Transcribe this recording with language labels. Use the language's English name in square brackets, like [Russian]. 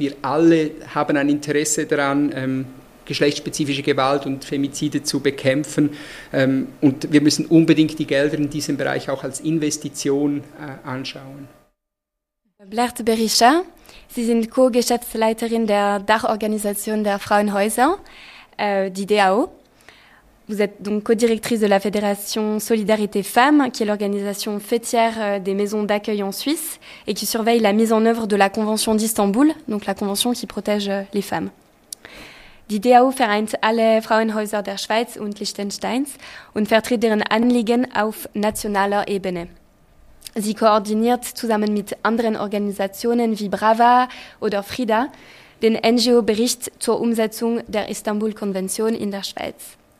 [German] Wir alle haben ein Interesse daran, geschlechtsspezifische Gewalt und Femizide zu bekämpfen. Und wir müssen unbedingt die Gelder in diesem Bereich auch als Investition anschauen. Blair Teberisha, Sie sind Co-Geschäftsleiterin der Dachorganisation der Frauenhäuser, die DAO. [French] Vous êtes donc co-directrice de la Fédération Solidarité Femmes, qui est l'organisation fêtière des maisons d'accueil en Suisse et qui surveille la mise en œuvre de la Convention d'Istanbul, donc la convention qui protège les femmes. [German] Die DAO vereint alle Frauenhäuser der Schweiz und Liechtensteins und vertritt deren Anliegen auf nationaler Ebene. Sie koordiniert zusammen mit anderen Organisationen wie Brava oder Frida den NGO-Bericht zur Umsetzung der Istanbul-Konvention in der Schweiz.